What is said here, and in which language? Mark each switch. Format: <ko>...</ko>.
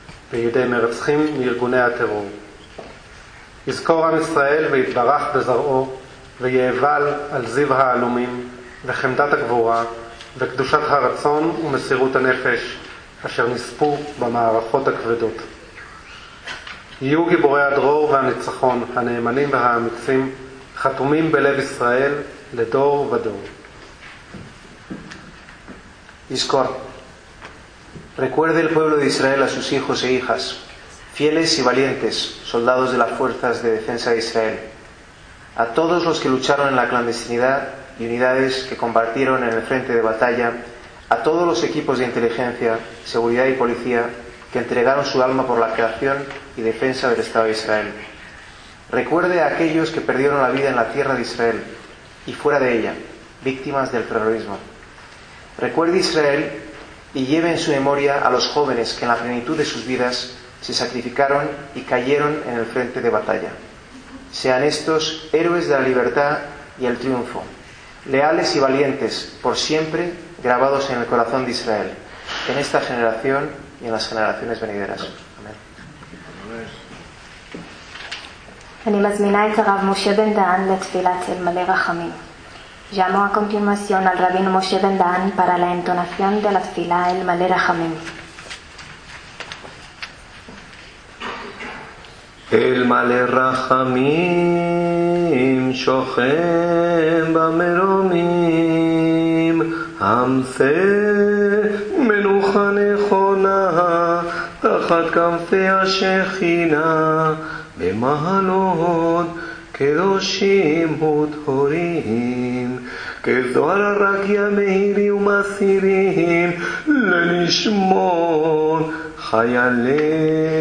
<he>וידי מרצחים מארגוני הטרור. יזכור עם ישראל ויתברך בזרעו, ויאבל על זיו העלומים וחמדת הגבורה וקדושת הרצון ומסירות הנפש אשר נספו במערכות הכבדות. יהיו גיבורי הדרור והניצחון הנאמנים והאמיצים חתומים בלב ישראל לדור ודור. יזכור.</he> <es>Recuerde el pueblo de Israel a sus hijos e hijas, fieles y valientes, soldados de las fuerzas de defensa de Israel, a todos los que lucharon en la clandestinidad y unidades que combatieron en el frente de batalla, a todos los equipos de inteligencia, seguridad y policía que entregaron su alma por la creación y defensa del Estado de Israel. Recuerde a aquellos que perdieron la vida en la tierra de Israel y fuera de ella, víctimas del terrorismo. Recuerde Israel y lleve en su memoria a los jóvenes que en la plenitud de sus vidas se sacrificaron y cayeron en el frente de batalla. Sean estos héroes de la libertad y el triunfo, leales y valientes, por siempre grabados en el corazón de Israel, en esta generación y en las generaciones venideras. Amén.</es> <he>אני מזמינה את הרב משה בן דהן לתפילת אל מלא רחמים.</he> <es>Llamo a continuación al rabino Moshe Ben Dan para la entonación de la tefila El Malé Rahamim.</es> <he>El Malé Rahamim Shochem Bamerumim Amse Menucha Nechona Tachat Kamfe Ashechina Bemahalot קדושים וטהורים כזוהר הרקיע מהירי ומסירים לנשמון חיילי</he>